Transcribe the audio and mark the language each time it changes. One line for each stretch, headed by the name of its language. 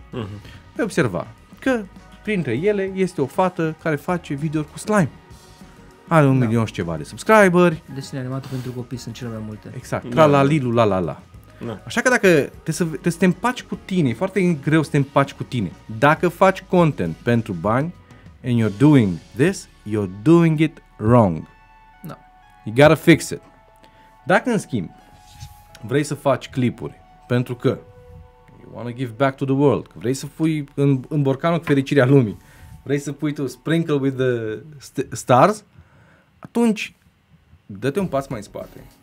Romanian: Uh-huh. Ai observa că printre ele este o fată care face videouri cu slime. Are un, da, milion și ceva de subscriberi. Desene animate pentru copii sunt cele mai multe. Exact. La la lilu, la la la. Da. Așa că dacă te te împaci cu tine, e foarte greu să te împaci cu tine. Dacă faci content pentru bani
English: and you're doing this, you're doing it wrong. No. You gotta fix it.
Romanian: Dacă, în schimb, vrei să faci clipuri pentru că
English: you wanna give back to the world,
Romanian: vrei să pui în borcanul cu fericirea lumii, vrei să pui tu
English: sprinkle with the stars,
Romanian: atunci dă-te un pas mai în spate.